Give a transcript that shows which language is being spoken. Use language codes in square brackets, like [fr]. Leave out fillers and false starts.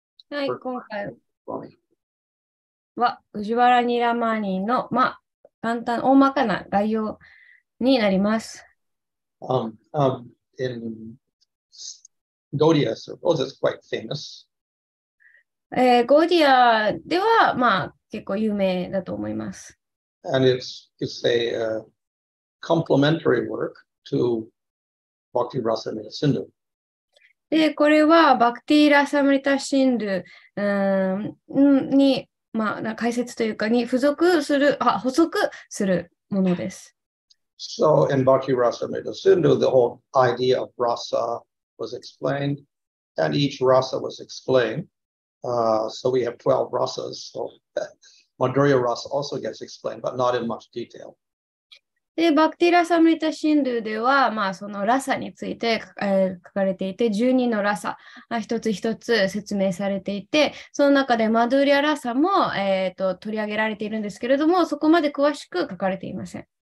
[ja] はい、今回は Ujjvala Nilamani の、まあ、簡単、大まかな概要になります。 [en] In Gaudiya, I suppose it's quite famous. [ja] Gaudiya では、まあ、結構有名だと思います。 [en] And it's a complementary work to Bhakti Rasamrita Sindhu. [ja] で、これはバクティラサムリタシンドゥに、まあ、解説というかに付属する、あ、補足するものです。 [en] So in Bhakti Rasamrita Sindhu, the whole idea of rasa was explained, and each rasa was explained. So we have 12 rasas. So Madhurya Rasa also gets explained, but not in much detail. [ja] で、バクティラサムリタシンドゥでは、まあ、そのラサについて、書かれていて、12のラサ、一つ一つ説明されていて、その中でマドゥリアラサも、取り上げられているんですけれども、そこまで詳しく書かれていません。